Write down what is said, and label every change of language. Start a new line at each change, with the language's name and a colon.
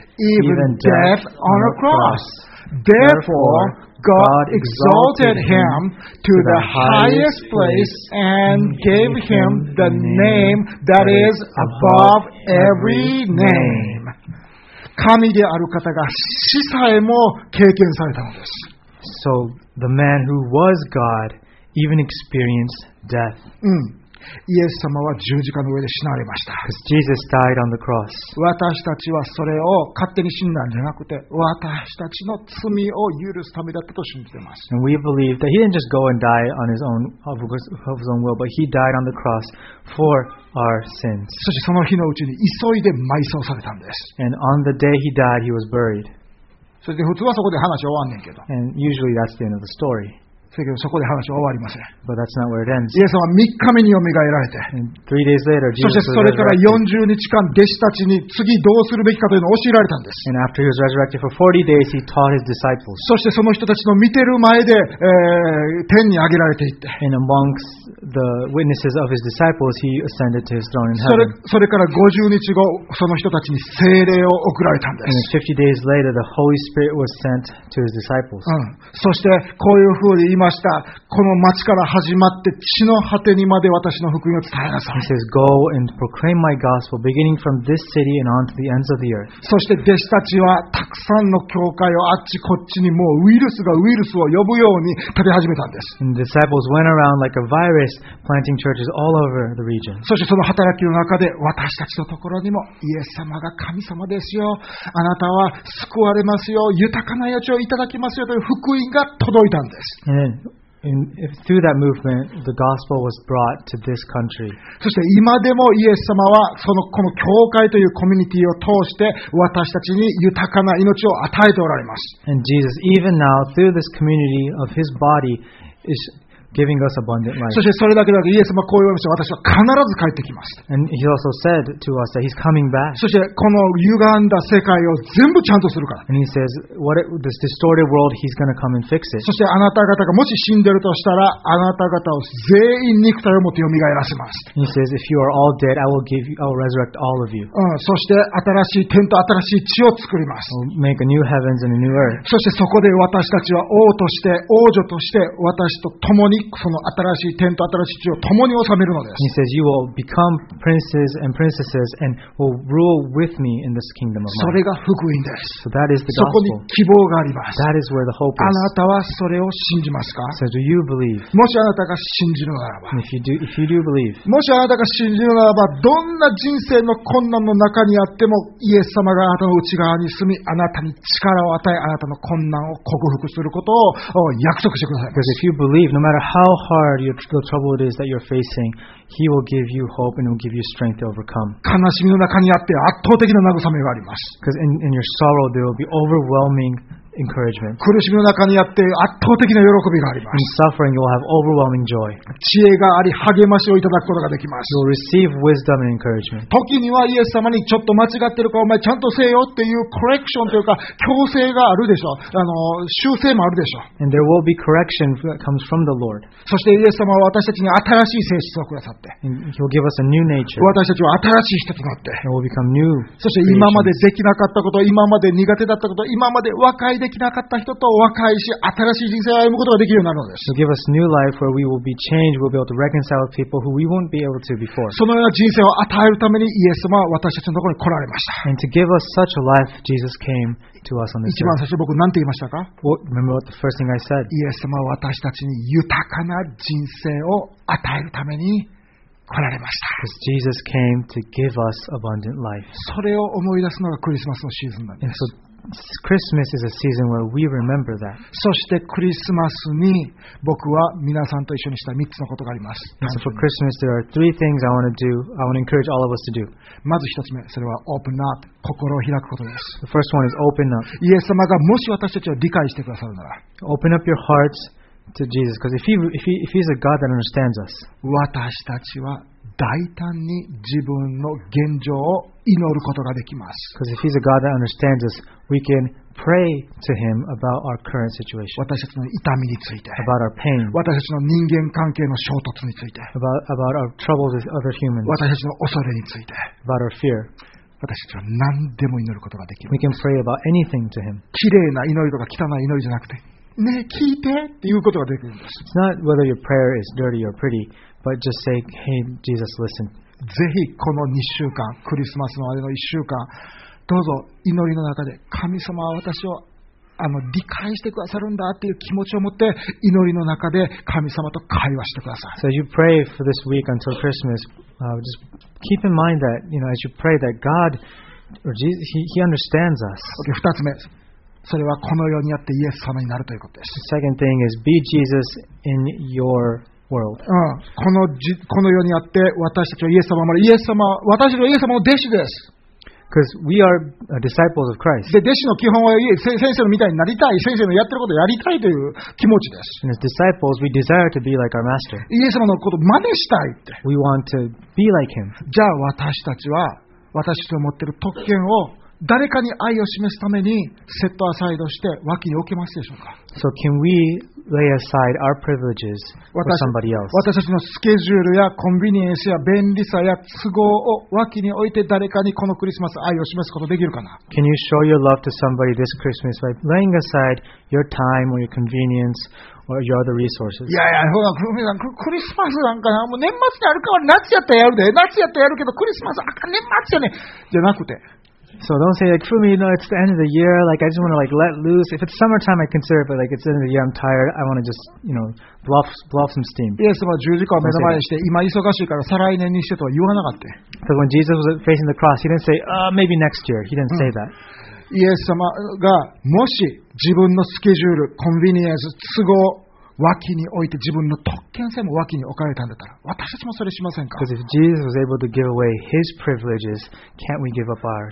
English: Even death on a cross. Therefore, God exalted him to the highest place and gave him the name that is above every name.
Japanese: 神である方が死さえも経験されたのです。
English: So the man who was God even experienced death.
Japanese: イエス様は十字架の上で死なれました。
English: Jesus died on the cross.
Japanese: 私たちはそれを勝手に死んだんじゃなくて、私たちの罪を許すためだったと信じています。
English: And we believe that he didn't just go and die on his own of his own will, but he died on the cross for our sins.
Japanese: そしてその日のうちに急いで埋葬されたんです。
English: And on the day he died, he was buried.
Japanese: そして普通はそこで話終わんねんけど。
English: And usually that's the end of the story.
Japanese: そこで話は終わりません。
English: But that's not where it ends.
Japanese: イエスは3日目によみがえられて、
English: 3 days later, Jesus
Japanese: そしてそれから40日間弟子たちに次どうするべきかというのを教えられたんです。
English: And after he was resurrected for 40 days, he taught his disciples.
Japanese: そしてその人たちの見てる前で、天に上げられていって、
English: And amongst the witnesses of his disciples, he ascended to his throne in heaven.
Japanese: それから50日後、その人たちに聖霊を送られたんです。
English: And 50 days later, the Holy Spirit was sent to his disciples.
Japanese: そしてこういうふうにいました。この町から始まって地の果てにまで私の福音を伝えなさい。
English: He says, "Go and proclaim my gospel, beginning from this city and on to the ends of the earth."
Japanese: そして弟子たちはたくさんの教会をあっちこっちにもうウイルスがウイルスを呼ぶように立て始めたんです。
English: And disciples went around like a virus, planting churches all over the region.
Japanese: そしてその働きの中で私たちのところにもイエス様が神様ですよ。あなたは救われますよ。豊かな余地をいただきますよという福音が届いたんです。
English: And through that movement, the gospel was brought to this country.
Japanese: そして今でもイエス様はそのこの教会というコミュニティを通して私たちに豊かな命を与えておられます。
English: And Jesus, even now, through this community of his body, is giving us abundant life.
Japanese: そしてそれだけではなくイエス様はこう言われました。私は必ず帰ってきます。
English: And he also said to us that he's coming back.
Japanese: そしてこの歪んだ世界を全部ちゃんとするから。
English: And he says, what it, this distorted world, he's going to come and fix it.
Japanese: そしてあなた方がもし死んでるとしたら、あなた方を全員肉体を持って蘇らせます。
English: And he says, if you are all dead, I will resurrect all of you.
Japanese: そして新しい天と新しい地を作ります。
English: We'll make a new heavens and a new earth.
Japanese: そしてそこで私たちは王として、王女として、私と共にその新しい天と新しい地を共に治めるのです。
English: He says, "You will become princes and princesses and will rule with me in this kingdom of mine."
Japanese: それが福音です。
English: So that is the gospel.
Japanese: そこに希望があります。
English: That is where the hope is.
Japanese: あなたはそれを信じますか?
English: So do you believe?
Japanese: もしあなたが信じるならば。
English: And if you do believe.
Japanese: もしあなたが信じるならば、どんな人生の困難の中にあっても、イエス様があなたの内側に住み、あなたに力を与え、あなたの困難を克服することを約束してください。
English: Because if you believe, no matter how hard the trouble it is that you're facing, He will give you hope and will give you strength to overcome.
Japanese: 悲しみの中にあって圧倒的な慰めがあります。
English: Because in your sorrow there will be overwhelming encouragement.
Japanese: 苦しみの中にあって圧倒的な喜びがあります。
English: In suffering you will have overwhelming joy.
Japanese: 知恵があり励ましをいただくことができます。
English: You will receive wisdom and encouragement.
Japanese: 時にはイエス様にちょっと間違ってるかお前ちゃんとせよっていうコレクションというか強制があるでしょう。修正もあるでしょう。
English: And there will be correction that comes from the Lord.
Japanese: そしてイエス様は私たちに新しい性質をくださって。
English: And he'll give us a new nature.
Japanese: 私たちは新しい人となって。
English: And we'll become new.
Japanese: そして今までできなかったこと、今まで苦手だったこと、今まで若いでできなかった人と和解し新しい人生を歩むことができるようになるのです。
English: Give us new life where we will be changed, we'll be able to reconcile with people who we won't be able to before.
Japanese: そのような人生を与えるためにイエス様は私たちのところに来られました。
English: And to give us such a life, Jesus came to us on this earth.
Japanese: 一番最初僕何て言いましたか?
English: Remember what the first thing I said?
Japanese: イエス様は私たちに豊かな人生を与えるために来られました。
English: Because Jesus came to give us abundant life.
Japanese: それを思い出すのがクリスマスのシーズンなんです。
English: Christmas is a season where we remember that.
Japanese: そしてクリスマスに僕は皆さんと一緒にした3つのことがあります。
English: So for Christmas, there are three things I want to do. I want to encourage all of us to do.
Japanese: まず1つ目、それは
English: open up、
Japanese: 心を開くことです。
English: The first one is open up.
Japanese: イエス様がもし私たちを理解してくださるなら、
English: open up your hearts to Jesus. Because if he's a God that understands us,
Japanese: 私たちは大胆に自分の現状を祈ることができます。
English: Because if he's a God that understands us, we can pray to him about our current situation.
Japanese: 私たちの痛みについて。
English: About our pain.
Japanese: 私たちの人間関係の衝突について。
English: About our troubles with other humans.
Japanese: 私たちの恐れについて。
English: About our fear.
Japanese: 私たちは何でも祈ることができる。
English: We can pray about anything to him.
Japanese: 綺麗な祈りとか汚い祈りじゃなくて、ねえ聞いてっていうことができるんです。
English: It's not whether your prayer is dirty or pretty. But just say, "Hey, Jesus, listen."
Japanese: ぜひこの2週間、クリスマスの間の1週間、どうぞ祈りの中で、神様は私を理解してくださるんだという気持ちを持って祈りの中で神様と会話してください。
English: So you pray for this week until Christmas. Just keep in mind that, you know, as you pray that God or Jesus, He understands us.
Japanese: Okay, 2つ目。それはこの世にあってイエス様になるということです。
English: Second thing is be Jesus in your world.
Japanese: この世にあって私たちはイエス様まで、イエス様、私たちはイエス様の弟子です。
English: Because we are disciples of Christ.
Japanese: で、弟子の基本は先生のみたいになりたい、先生のやってることをやりたいという気持ちです。
English: And as disciples, we desire to be like our master.
Japanese: イエス様のことを真似したいって。
English: We want to be like him.
Japanese: じゃあ私たちは私たちが持っている特権を誰かに愛を示すためにセットアサイドして脇に置けますでしょうか。
English: So can we lay aside our privileges for somebody else?
Japanese: 私たちのスケジュールやコンビニエンスや便利さや都合を脇に置いて誰かにこのクリスマス愛を示すことできるかな。
English: Can you show your love to somebody this Christmas by laying aside your time or your convenience? Or your other resources.
Japanese: いやいや、ほら、クミさん、クリスマスなんかな、もう年末にあるかは夏やったらやるで、夏やったらやるけど、クリスマスあかん、年末やね、じゃなくて。
English: So don't say like, Fumi, no, it's the end of the year. Like, I just want to like let loose. If it's summertime, I consider it. But like, it's the end of the year. I'm tired. I want to just, you know, blow some steam.
Japanese: イエス様は十字架を目の前にして、今忙しいから再来年にしてとは言わなかった。
English: But when Jesus was facing the cross, he didn't say, maybe next year. He didn't say that.
Japanese: イエス様がもし自分のスケジュール、コンビニエンス、都合脇に置いて自分の特権性も脇に置かれたんだったら私たちもそれしませんか。
English: Because if Jesus was able to give away his privileges, can't we give up ours?